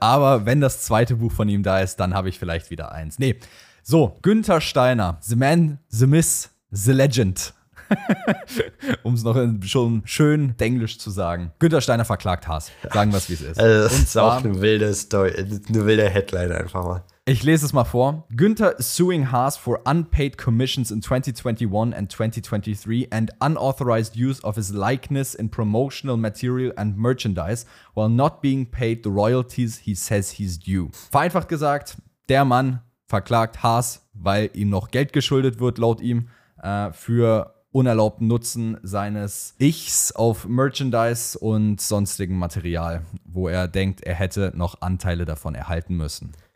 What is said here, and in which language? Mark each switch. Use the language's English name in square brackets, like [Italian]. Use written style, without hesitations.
[German] Aber wenn das zweite Buch von ihm da ist, dann habe ich vielleicht wieder eins. Nee. [English] So, Günther Steiner. The man, the miss, the legend. [German] Um es noch schon schön Denglisch zu sagen. Günther Steiner verklagt Haas. Sagen wir es, wie es ist. Also, das ist zwar auch eine wilde Story. Eine wilde Headline einfach mal. Ich lese es mal vor. [English] Günther is suing Haas for unpaid commissions in 2021 and 2023 and unauthorized use of his likeness in promotional material and merchandise while not being paid the royalties he says he's due. [German] Vereinfacht gesagt, der Mann verklagt Haas, weil ihm noch Geld geschuldet wird, laut ihm, für unerlaubten Nutzen seines Ichs auf Merchandise und sonstigem Material, wo er denkt, er hätte noch Anteile davon erhalten müssen.